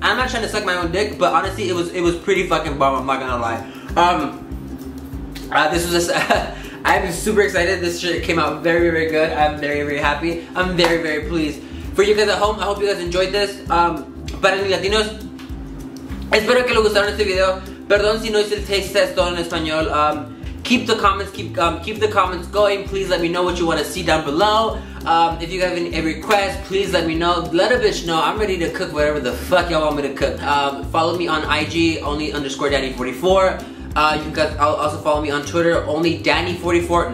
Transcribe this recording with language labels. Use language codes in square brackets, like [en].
[en] I'm not trying to suck my own dick, but honestly, it was pretty fucking bomb, I'm not gonna lie. This was just, I'm super excited. This shit came out very, very good. I'm very, very happy. I'm very, very pleased. For you guys at home, I hope you guys enjoyed this. [es] Para los Latinos, espero que les gustaron este video. Perdón si no hice el taste test todo en español. [en] Keep the comments, keep the comments going. Please let me know what you want to see down below. If you have any requests, please let me know. Let a bitch know. I'm ready to cook whatever the fuck y'all want me to cook. Follow me on IG, only_danny44. You guys, I'll also follow me on Twitter, only_danny44.